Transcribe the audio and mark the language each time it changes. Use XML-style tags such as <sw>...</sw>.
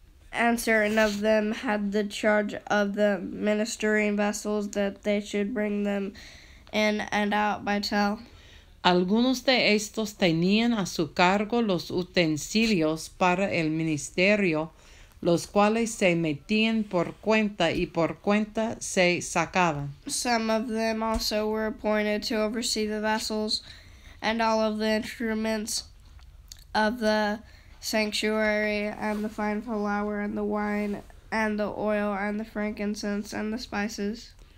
<en>And certain of them had the charge of the ministering vessels, that they should bring them in and out by tell.</en> <es>Algunos de estos tenían a su cargo los utensilios para el ministerio, los cuales se metían por cuenta y por cuenta se sacaban.</es> <en>Some of them also were appointed to oversee the vessels and all of the instruments of the sanctuary, and the fine flour, and the wine, and the oil, and the frankincense, and the spices.</en>